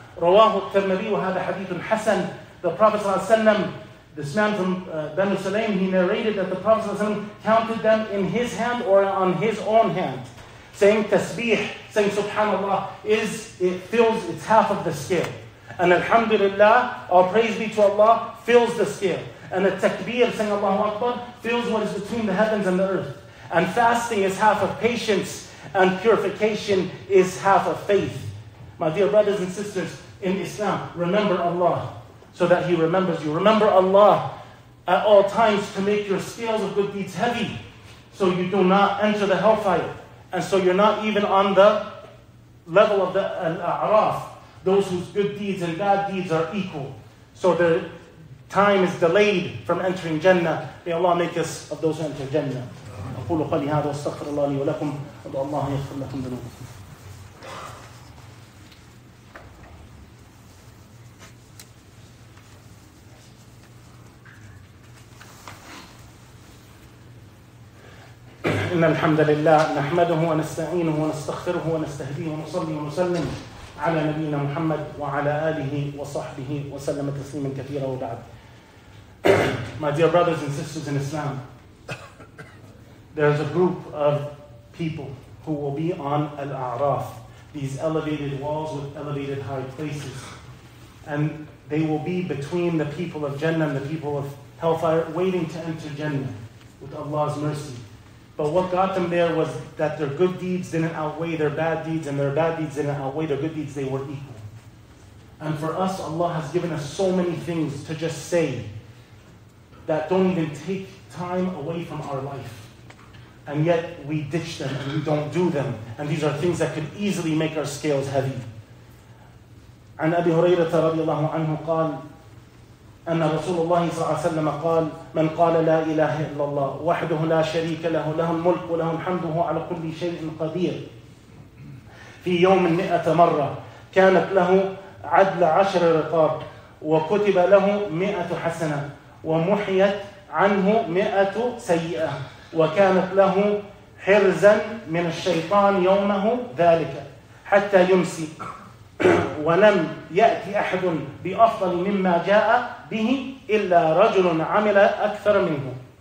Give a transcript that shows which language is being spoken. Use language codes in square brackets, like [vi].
[ar] رواه الترمذي وهذا حديث حسن. [en] The Prophet صلى الله عليه وسلم, this man from Banu Sulaym, he narrated that the Prophet صلى الله عليه وسلم counted them in his hand or on his own hand, saying tasbih, saying subhanallah, it fills, it's half of the scale. And alhamdulillah, our praise be to Allah, fills the scale. And the takbir, saying Allahu Akbar, fills what is between the heavens and the earth. And fasting is half of patience, and purification is half of faith. My dear brothers and sisters in Islam, remember Allah so that He remembers you. Remember Allah at all times to make your scales of good deeds heavy, so you do not enter the hellfire, and so you're not even on the level of the Araaf, those whose good deeds and bad deeds are equal. So the time is delayed from entering Jannah. May Allah make us of those who enter Jannah. [ar] أقول قولي هذا واستغفر الله لي ولكم وأدعو الله يغفر لكم ذنوبكم. إن الحمد لله نحمده ونستعينه ونستغفره ونستهديه ونصلي ونسلم على نبينا محمد وعلى آله وصحبه وسلم تسليما كثيرا وبعد. [en] My dear brothers and sisters in Islam, there's a group of people who will be on Al-A'raf, these elevated walls with elevated high places. And they will be between the people of Jannah and the people of Hellfire, waiting to enter Jannah with Allah's mercy. But what got them there was that their good deeds didn't outweigh their bad deeds, and their bad deeds didn't outweigh their good deeds. They were equal. And for us, Allah has given us so many things to just say that don't even take time away from our life. And yet we ditch them and we don't do them. And these are things that could easily make our scales heavy. [ar] عن أبي هريرة رضي الله عنه قال أن رسول الله صلى الله عليه وسلم قال من قال لا إله إلا الله وحده لا شريك له له الملك وله الحمد وهو على كل شيء قدير في يوم 100 مرة كانت له عدل 10 رقاب وكتب له 100 حسنة ومحيت عنه 100 سيئة وكانت له حرزا من الشيطان يومه ذلك حتى يمسي ولم يأتي أحد بأفضل مما جاء به إلا رجل عمل أكثر منه.